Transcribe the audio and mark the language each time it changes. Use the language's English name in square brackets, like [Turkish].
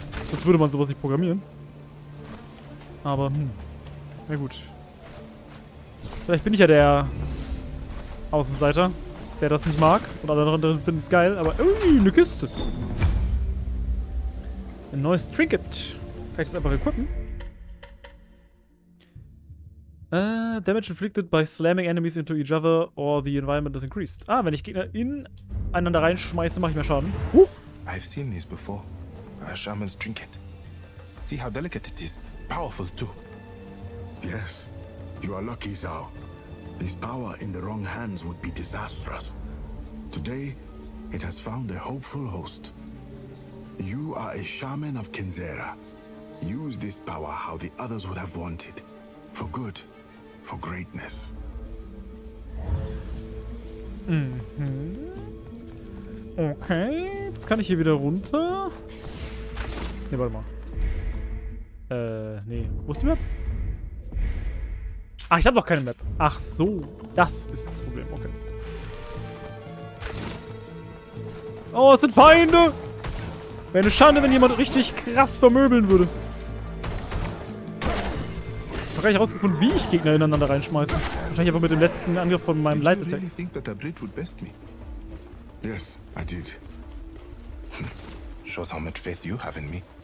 [German] Sonst würde man sowas nicht programmieren. Aber, Na gut. Vielleicht bin ich ja der Außenseiter, der das nicht mag. Und alle anderen finden es geil. Aber, eine Kiste. Ein neues Trinket. Kann ich das einfach equippen? [English] Damage inflicted by slamming enemies into each other or the environment is increased. [German] Ah, wenn ich Gegner ineinander reinschmeiße, mache ich mehr Schaden. [English] Huch! I've seen this before. A shaman's trinket. See how delicate it is. Powerful too. Yes. You are lucky, Zhao. This power in the wrong hands would be disastrous. Today, it has found a hopeful host. You are a shaman of Kinzera. Use this power how the others would have wanted. For good. For greatness. Mhm. Okay. [German] Jetzt kann ich hier wieder runter. Ne, warte mal. Wo ist die Map? Ach, ich hab noch keine Map. Ach so. Das ist das Problem. Okay. Oh, es sind Feinde! Wäre eine Schande, wenn jemand richtig krass vermöbeln würde. Ich hab gar nicht rausgefunden, wie ich Gegner ineinander reinschmeiße. Wahrscheinlich einfach mit dem letzten Angriff von meinem Light Attack. [English] Really think that the bridge would best me? Yes, I did. Shows how much faith you have in me.